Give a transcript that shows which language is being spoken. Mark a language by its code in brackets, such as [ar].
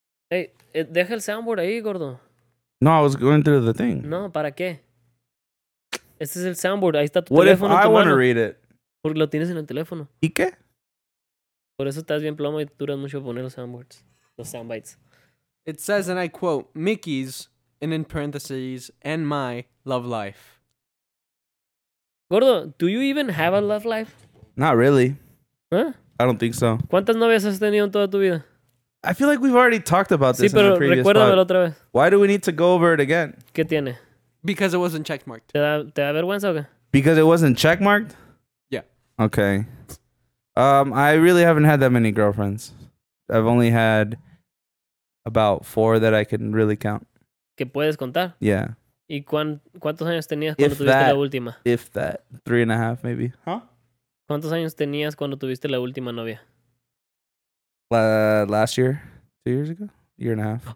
[es] Hey, deja el soundboard ahí, gordo. [en] No, I was going through the thing. [es] No, ¿para qué? Este es el soundboard. Ahí está tu [en] what [es] teléfono. [en] What if I want to read it? [es] Porque lo tienes en el teléfono. ¿Y qué? Por eso estás bien plomo y duras mucho poner los soundboards. Los soundbites. [en] It says, and I quote, Mickey's, and in parentheses, and my love life. Gordo, do you even have a love life? Not really. Huh? I don't think so. [es] ¿Cuántas novias has tenido en toda tu vida? [en] I feel like we've already talked about this [es] sí, pero [en] in the previous [es] recuérdamelo pod. Otra vez. [en] Why do we need to go over it again? [es] ¿Qué tiene? [en] Because it wasn't checkmarked. [es] ¿Te da vergüenza o qué? [en] Because it wasn't checkmarked? Yeah. Okay. I really haven't had that many girlfriends. I've only had about 4 that I can really count. [es] ¿Que puedes contar? [en] Yeah. [es] ¿Y cuántos años tenías cuando tuviste la última? [en] If that, 3.5 maybe. Huh? [es] ¿Cuántos años tenías cuando tuviste la última novia? [en] Last year, 2 years ago, year and a half.